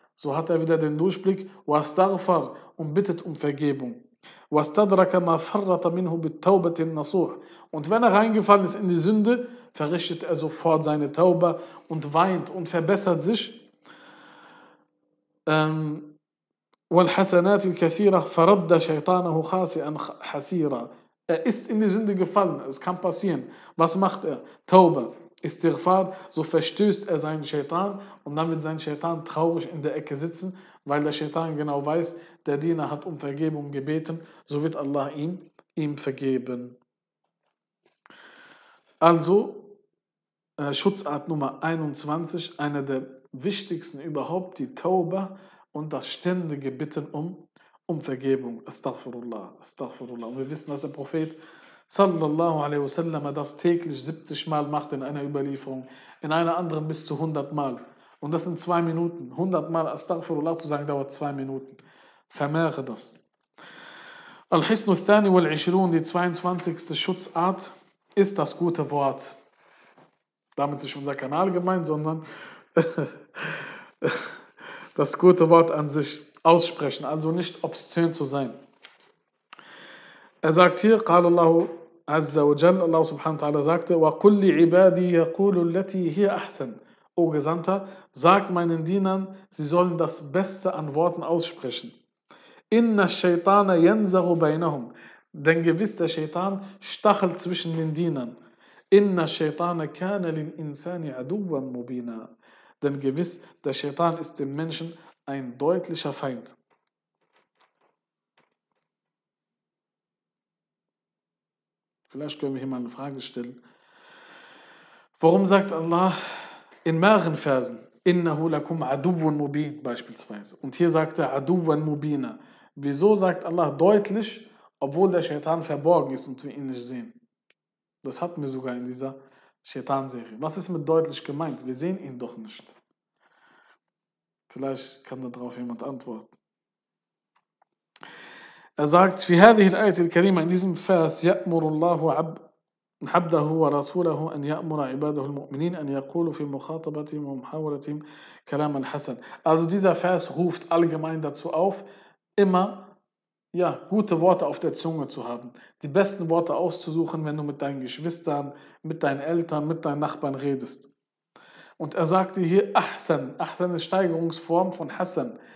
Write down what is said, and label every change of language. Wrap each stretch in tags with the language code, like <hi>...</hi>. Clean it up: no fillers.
<de>So hat er wieder den Durchblick.</de> <ar>وَاسْتَغْفَرَ.</ar> <de>Und bittet um Vergebung.</de> <ar>وَاسْتَدْرَكَ مَا فَرَّطَ مِنْهُ بِالتَّوْبَةِ النَّصُوحِ.</ar> <de>Und wenn er reingefallen ist in die Sünde, verrichtet er sofort seine Taube und weint und verbessert sich.</de> <ar>والحسنات الكثيرة فرد شيطانه خاسئا حسيرا.</ar> <de>Er ist in die Sünde gefallen. Es kann passieren. Was macht er? Taube, Istighfar. So verstößt er seinen Shaitan und dann wird sein Shaitan traurig in der Ecke sitzen, weil der Shaitan genau weiß, der Diener hat um Vergebung gebeten. So wird Allah ihm vergeben. Also Schutzart Nummer 21, einer der wichtigsten überhaupt, die Taube. Und das ständige Bitten um Vergebung. Astaghfirullah, Astaghfirullah. Und wir wissen, dass der Prophet sallallahu alaihi wasallam das täglich 70 Mal macht in einer Überlieferung, in einer anderen bis zu 100 Mal. Und das in 2 Minuten. 100 Mal Astaghfirullah zu sagen, dauert 2 Minuten. Vermehre das.</de> <ar>Al-Hisnu al-Thani wal-Ishrun,</ar> <de>die 22. Schutzart, ist das gute Wort. Damit ist nicht unser Kanal gemeint, sondern das gute Wort an sich aussprechen, also nicht obszön zu sein. Er sagt hier,</de> <ar>قال الله عز وجل, Allah subhanahu wa ta'ala sagte, وَقُلْ لِعِبَادِي يَقُولُ الَّتِي هِيَ أَحْسَنُ.</ar> <de>O Gesandter, sag meinen Dienern, sie sollen das Beste an Worten aussprechen.</de> <ar>إِنَّ الشَّيْطَانَ يَنْزَغُ بَيْنَهُمْ.</ar> <de>Denn gewiss, der Shaitan stachelt zwischen den Dienern.</de> <ar>إِنَّ الشَّيْطَانَ كَانَ لِلْإِنسَانِ عَدُوًّا مُبِينًا.</ar> <de>Denn gewiss, der Shaitan ist dem Menschen ein deutlicher Feind. Vielleicht können wir hier mal eine Frage stellen. Warum sagt Allah in mehreren Versen,</de> <ar>innahu lakum aduwwun mubin</ar> <de>beispielsweise? Und hier sagt er</de> <ar>aduwwun mubina.</ar> <de>Wieso sagt Allah deutlich, obwohl der Shaitan verborgen ist und wir ihn nicht sehen? Das hatten wir sogar in dieser Shaitan-Serie. Was ist mit deutlich gemeint? Wir sehen ihn doch nicht. Vielleicht kann da drauf jemand antworten. Er sagt,</de> <ar>في هذه الآية الكريمة,</ar> <de>in diesem Vers,</de> <ar>يأمر الله عبده ورسوله أن يأمر عباده المؤمنين أن يقولوا في مخاطبتهم ومحاورتهم كلام الحسن.</ar> <de>Also dieser Vers ruft allgemein dazu auf, immer gute Worte auf der Zunge zu haben, die besten Worte auszusuchen, wenn du mit deinen Geschwistern, mit deinen Eltern, mit deinen Nachbarn redest. Und er sagte hier, Ahsan, Ahsan ist Steigerungsform von Hasan.</de>